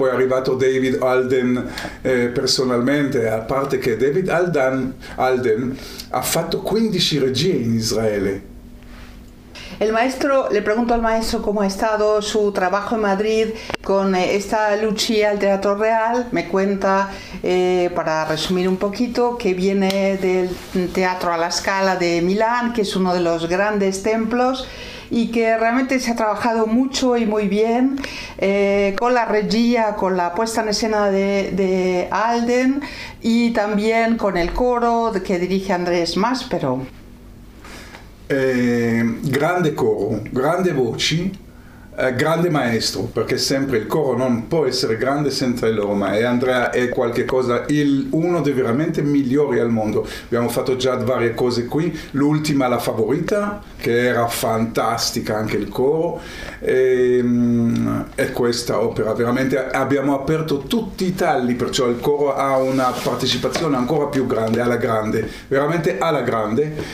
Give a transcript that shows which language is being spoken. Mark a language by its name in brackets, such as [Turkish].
[Italian] Poi è arrivato David Alden personalmente, a parte che David Alden ha fatto 15 regie in Israele. [Spanish] El maestro, le pregunto al maestro cómo ha estado su trabajo en Madrid con esta Lucia al Teatro Real. Me cuenta, para resumir un poquito, que viene del Teatro alla Scala de Milán, que es uno de los grandes templos, y que realmente se ha trabajado mucho y muy bien con la regia, con la puesta en escena de Alden, y también con el coro que dirige Andrés Maspero. [Italian] Grande coro, grande voci, grande maestro, perché sempre il coro non può essere grande senza il loro maestro. E Andrea è qualche cosa, uno dei veramente migliori al mondo. Abbiamo fatto già varie cose qui, l'ultima, la favorita, che era fantastica anche il coro, e questa opera veramente abbiamo aperto tutti i talli, perciò il coro ha una partecipazione ancora più grande, alla grande, veramente alla grande.